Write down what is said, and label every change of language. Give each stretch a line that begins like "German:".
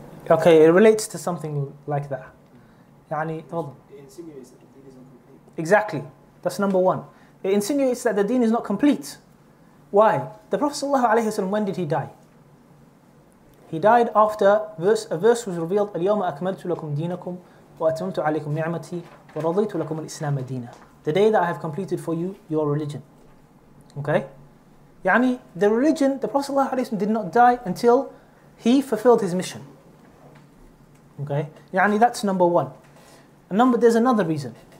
English: Okay, it relates to something like that.
Arabic: يعني تفضل.
English: Exactly. That's number one. It insinuates that the deen is not complete. Why? The Prophet sallallahu alayhi wa sallam, when did he die? He died after a verse was revealed,
Arabic: اليوم أكملت لكم دينكم وأتممت عليكم نعمتي ورضيت لكم الإسلام دينا.
English: The day that I have completed for you your religion. Okay? يعني the religion, the Prophet sallallahu alayhi wa sallam did not die until he fulfilled his mission. Okay? يعني that's number one. And number, there's another reason.